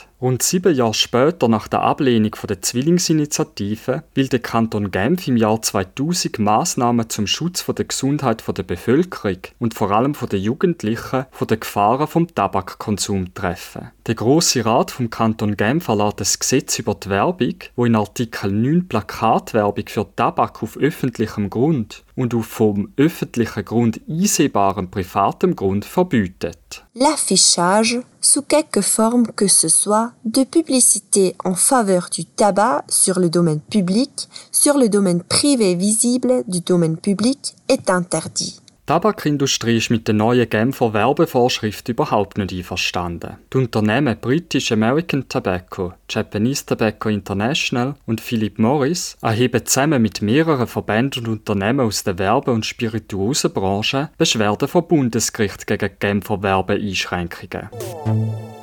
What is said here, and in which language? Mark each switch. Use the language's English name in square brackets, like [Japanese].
[German] Rund 7 Jahre später nach der Ablehnung der Zwillingsinitiative will der Kanton Genf im Jahr 2000 Massnahmen zum Schutz der Gesundheit der Bevölkerung und vor allem der Jugendlichen von den Gefahren vom Tabakkonsum treffen. Der Grosse Rat vom Kanton Genf erlässt ein Gesetz über die Werbung, wo in Artikel 9 Plakatwerbung für Tabak auf öffentlichem Grund und auf vom öffentlichen Grund einsehbarem privatem Grund verbietet. [French] L'affichage, sous quelque forme que ce soit, de publicité en faveur du tabac sur le domaine public, sur le domaine privé visible du domaine public, est interdit. [German] Die Tabakindustrie ist mit der neuen Genfer Werbevorschrift überhaupt nicht einverstanden. Die Unternehmen British American Tobacco, Japanese Tobacco International und Philip Morris erheben zusammen mit mehreren Verbänden und Unternehmen aus der Werbe- und Spirituosenbranche Beschwerden vor Bundesgericht gegen Genfer Werbeeinschränkungen. Musik.